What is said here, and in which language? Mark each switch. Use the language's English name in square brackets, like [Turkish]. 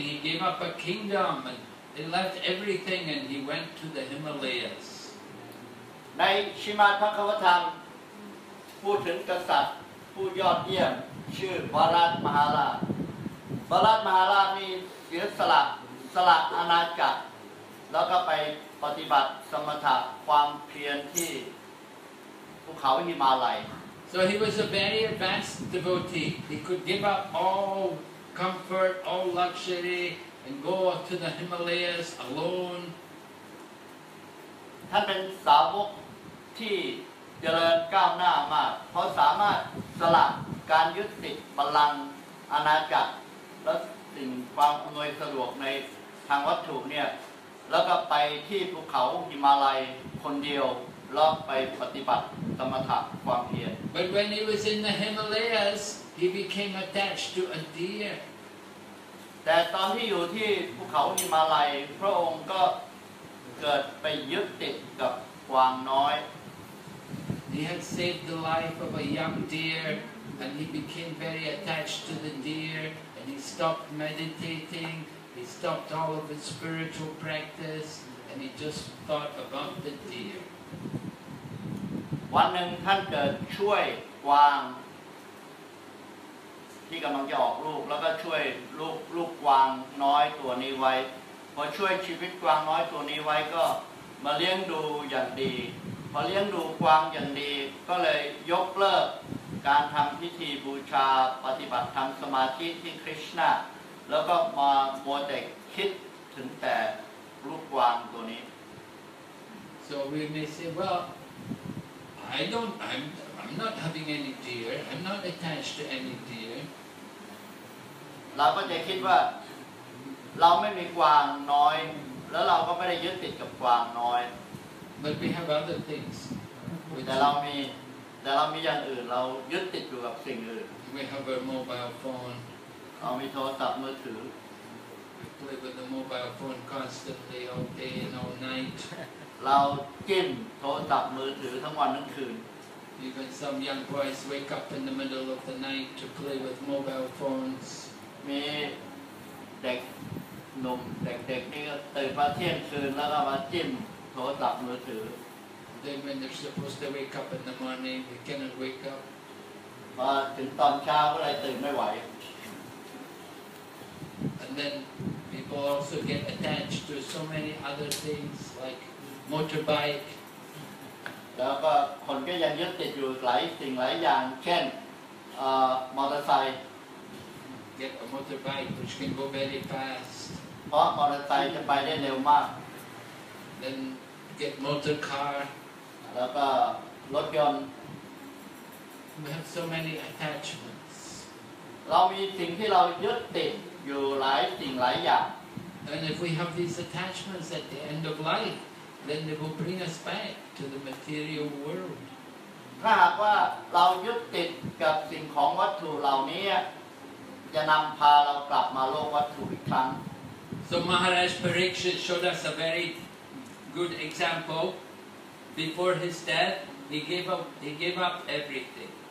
[English] He gave up a kingdom and he left everything and he went to the Himalayas. [Thai] ในชิมาพระคัมภีร์พูดถึงกษัตริย์ผู้ยอดเยี่ยมชื่อบารัตมหาราชบารัตมหาราชมีเสียสละอาณาจักรแล้วก็ไปปฏิบัติสมถะความเพียรที่ภูเขาหิมาลัย [English] So he was a very advanced devotee. He could give up all comfort, all luxury, and go up to the Himalayas alone. [Thai] ท่านเป็นสาวกที่เจริญก้าวหน้ามากเพราะสามารถสละการยึดติดบัลลังก์อาณาจักรและสิ่งความอำนวยสะดวกในทางวัตถุเนี่ยแล้วก็ไปที่ภูเขาหิมาลัยคนเดียวแล้วไปปฏิบัติสมถะความเพียร [English] But when he was in the Himalayas, he became attached to a deer. [Thai] แต่ตอนที่อยู่ที่ภูเขาหิมาลัยพระองค์ก็เกิดไปยึดติดกับกวางน้อย [English] He had saved the life of a young deer, and he became very attached to the deer, and he stopped meditating, he stopped all of his spiritual practice, and he just thought about the deer. [Thai] วันหนึ่งท่านเกิดช่วยกวางที่กำลังจะออกลูกแล้วก็ช่วยลูกกวางน้อยตัวนี้ไว้พอช่วยชีวิตกวางน้อยตัวนี้ไว้ก็มาเลี้ยงดูอย่างดีพอเลี้ยงดูกวางอย่างดีก็เลยยกเลิกการทำพิธีบูชาปฏิบัติธรรมสมาธิที่คริชนาแล้วก็มาโมเด็กคิดถึงแต่ลูกกวางตัวนี้ [English] So we may say wellI'm not having any deer. I'm not attached to any deer. [Thai] เราก็จะคิดว่าเราไม่มีกวางน้อยแล้วเราก็ไม่ได้ยึดติดกับกวางน้อย [English] But we have other things. [Thai] แต่เรามีอย่างอื่นเรายึดติดอยู่กับสิ่งอื่น [English] We have a mobile phone. [Thai] เรามีโทรศัพท์มือถือ [English] We play with the mobile phone constantly all day and all night. [Thai] เราจิ้มโทรศัพท์มือถือทั้งวันทั้งคืน [English] Even some young boys wake up in the middle of the night to play with mobile phones [Thai] มีเด็กหนุ่มเด็กๆนี่ก็ตื่นมาเที่ยงคืนแล้วก็มาจิ้มโทรศัพท์มือถือ [English] Then when they're supposed to wake up in the morning they cannot wake up [Thai] มาถึงตอนเช้าก็เลยตื่นไม่ไหว [English] And then people also get attached to so many other things likemotorbike [Thai] แล้วก็คนก็ยังยึดติดอยู่หลายสิ่งหลายอย่างเช่นมอเตอร์ไซค์ [English] get a motorbike which can go very fast [Thai] เพราะมอเตอร์ไซค์จะไปได้เร็วมาก [English] then get motor car [Thai] แล้วก็รถยนต์ [English] we have so many attachments [Thai] เรามีสิ่งที่เรายึดติดอยู่หลายสิ่งหลายอย่าง [English] and if we have these attachments at the end of lifeThen they will bring us back to the material world. [Thai] ถ้าหากว่าเรายึดติดกับสิ่งของวัตถุเหล่านี้จะนำพาเรากลับมาโลกวัตถุอีกครั้ง [English] So Maharaj Parikshit showed us a very good example. Before his death, he gave up everything.